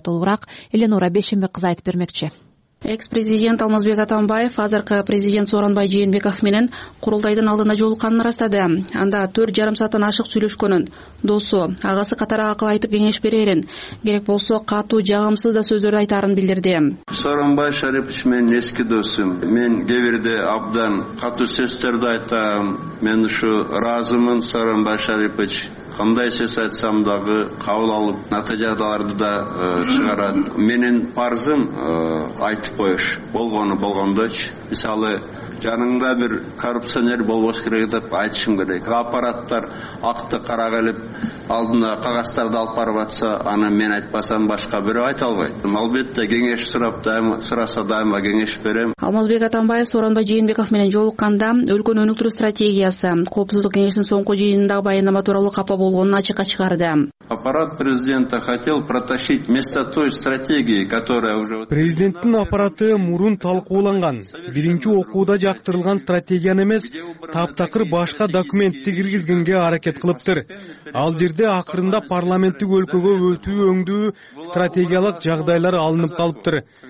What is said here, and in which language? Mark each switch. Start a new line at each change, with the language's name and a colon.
Kyrgyz: Толугураак Эленора Бешенбек кызы айтып берди. Экс-президент Алмазбек Атамбаев азыркы президент Сооронбай Жээнбеков менен курултайдын алдында жолукканын ырастады. Анда 4.5 сааттан ашык сүйлөшкөнүн, досу, агасы катары акыл айтып кеңеш берерин, керек болсо катуу жагымсыз да сөздөрдү айтарын билдирди. Сооронбай Шарипович менин эски досум. Мен кээбирде абдан катуу сөздөрдү айтам. Мен ушу разымын, Сооронбай Шарипович. Кандай сөз айтсам дагы кабыл алып натыйжаларды да чыгарат. Менин парзым айтып коюш, болгону болгондойчу. Мисалы жаныңда бир коррупционер болбош керек деп айтышым керек. Аппараттар акты карага элеп алдына кагаздарды алып барып атса, аны мен айтпасам башка бирөө айта албайт. Албетте кеңеш сурап сураса дайыма кеңеш берем. Алмазбек Атамбаев Сооронбай Жээнбеков менен жолукканда өлкөнүн өнүктүрүү стратегиясы, коопсуздук кеңешинин соңку жыйынындагы баяндама тууралуу капа болгонун ачыкка чыгарды.
Russian: Аппарат президента хотел протащить вместо той стратегии, которая уже
Kyrgyz: президенттин аппараты мурун талкууланган биринчи окууда жактырылган стратегияны эмес, таптакыр башка документти киргизгенге аракет кылыптыр. Ал жерде акырында парламенттик өлкөгө өтүү өңдүү стратегиялык жагдайлар алынып калыптыр.